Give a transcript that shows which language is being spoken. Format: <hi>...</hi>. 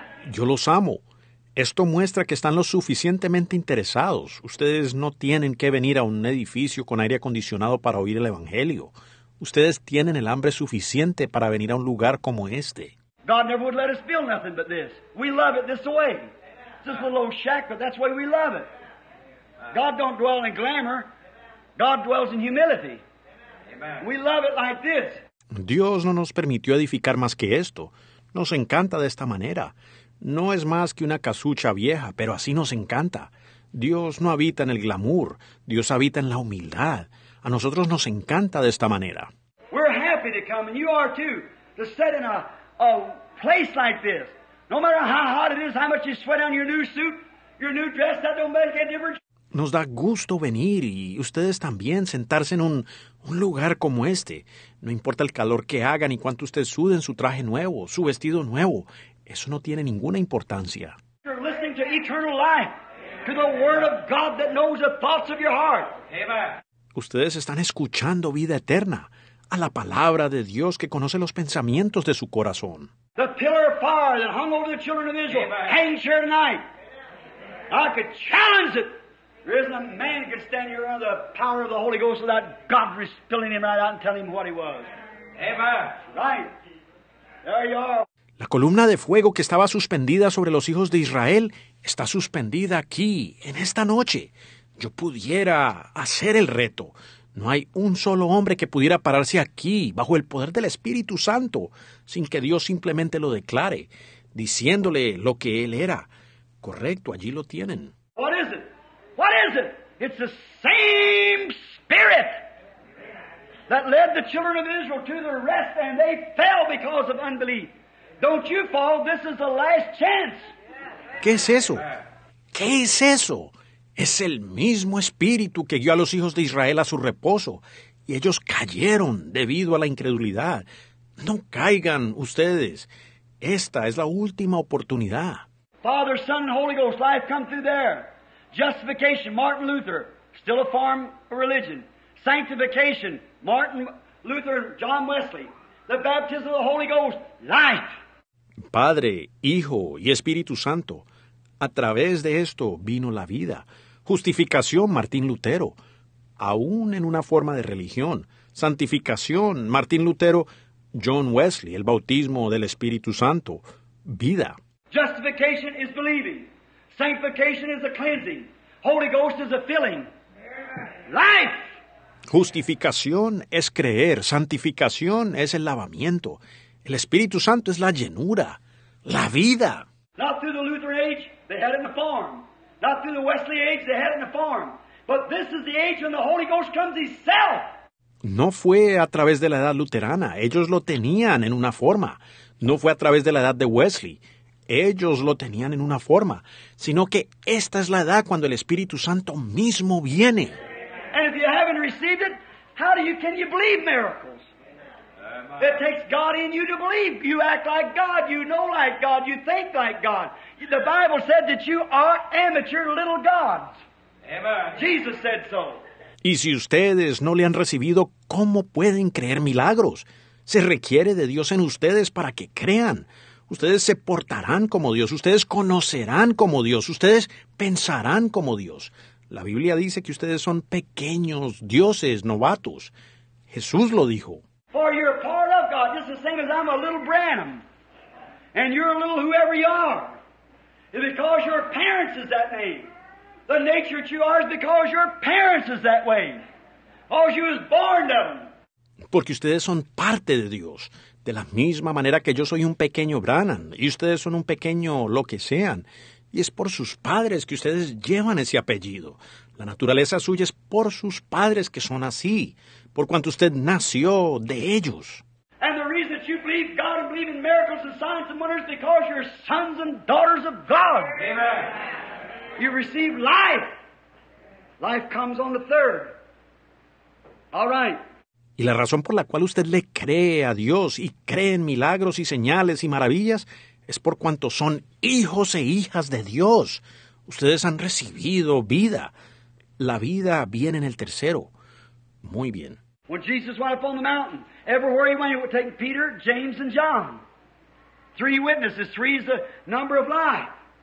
<es>Yo los amo. Esto muestra que están lo suficientemente interesados. Ustedes no tienen que venir a un edificio con aire acondicionado para oír el evangelio. Ustedes tienen el hambre suficiente para venir a un lugar como este.</es> <en>God never would let us build nothing but this. We love it this way. It's just a little shack, but that's the way we love it. God don't dwell in glamour. God dwells in humility. Amen. We love it like this.</en> <es>Dios no nos permitió edificar más que esto. Nos encanta de esta manera. No es más que una casucha vieja, pero así nos encanta. Dios no habita en el glamour. Dios habita en la humildad. A nosotros nos encanta de esta manera.</es> <en>We're happy to come, and you are too, to sit in a place like this. No matter how hot it is, how much you sweat on your new suit, your new dress, that don't make any difference.</en> <es>Nos da gusto venir y ustedes también sentarse en un lugar como este. No importa el calor que haga ni cuánto usted sude en su traje nuevo, su vestido nuevo. Eso no tiene ninguna importancia.</es> <en>You're listening to eternal life, to the word of God that knows the thoughts of your heart. Amen.</en> <es>Ustedes están escuchando vida eterna, a la palabra de Dios que conoce los pensamientos de su corazón.</es> <en>The pillar of fire that hung over the children of Israel hangs here tonight. I could challenge it. There isn't a man who can stand here under the power of the Holy Ghost without God spilling him right out and telling him what he was. Amen. Right. There you are.</en> <es>La columna de fuego que estaba suspendida sobre los hijos de Israel está suspendida aquí, en esta noche. Yo pudiera hacer el reto. No hay un solo hombre que pudiera pararse aquí, bajo el poder del Espíritu Santo, sin que Dios simplemente lo declare, diciéndole lo que él era. Correcto, allí lo tienen.</es> <en>What is it? What is it? It's the same spirit that led the children of Israel to the rest and they fell because of unbelief. Don't you fall, this is the last chance.</en> <es>¿Qué es eso? ¿Qué es eso? Es el mismo espíritu que guió a los hijos de Israel a su reposo y ellos cayeron debido a la incredulidad. No caigan ustedes. Esta es la última oportunidad.</es> <en>Father, Son, and Holy Ghost, life come through there. Justification, Martin Luther, still a form of religion. Sanctification, Martin Luther, John Wesley. The baptism of the Holy Ghost, life.</en> <es>Padre, Hijo y Espíritu Santo, a través de esto vino la vida. Justificación, Martín Lutero, aún en una forma de religión. Santificación, Martín Lutero, John Wesley, el bautismo del Espíritu Santo, vida.</es> <en>Justification is believing. Sanctification is a cleansing. Holy Ghost is a filling. Life!</en> <es>Justificación es creer. Santificación es el lavamiento. El Espíritu Santo es la llenura. La vida.</es> <en>Not through the Lutheran age, they had it in the form. Not through the Wesley age, they had it in the form. But this is the age when the Holy Ghost comes Himself.</en> <es>No fue a través de la edad luterana. Ellos lo tenían en una forma. No fue a través de la edad de Wesley. Ellos lo tenían en una forma. Sino que esta es la edad cuando el Espíritu Santo mismo viene.</es> <en>And if you haven't received it, how do you, can you believe miracles? It takes God in you to believe. You act like God. You know like God. You think like God. The Bible said that you are amateur little gods. Amen. Jesus said so.</en> <es>Y si ustedes no le han recibido, ¿cómo pueden creer milagros? Se requiere de Dios en ustedes para que crean. Ustedes se portarán como Dios. Ustedes conocerán como Dios. Ustedes pensarán como Dios. La Biblia dice que ustedes son pequeños dioses, novatos. Jesús lo dijo.</es> <en>For you're a part of God, just the same as I'm a little Branham. And you're a little whoever you are. It's because your parents is that name. The nature that you are is because your parents is that way. Because you was born them.</en> <es>Porque ustedes son parte de Dios. De la misma manera que yo soy un pequeño Branham. Y ustedes son un pequeño lo que sean. Y es por sus padres que ustedes llevan ese apellido. La naturaleza suya es por sus padres que son así. Por cuanto usted nació de ellos.</es> <en>And the reason that you believe God and believe in miracles and signs and wonders is because you're sons and daughters of God. Amen. You receive life. Life comes on the third. All right.</en> <es>Y la razón por la cual usted le cree a Dios y cree en milagros y señales y maravillas es por cuanto son hijos e hijas de Dios. Ustedes han recibido vida. La vida viene en el tercero. Muy bien.</es> <en>When Jesus went up on the mountain, everywhere he went, he would take Peter, James, and John. Three witnesses. Three is the number of life.</en>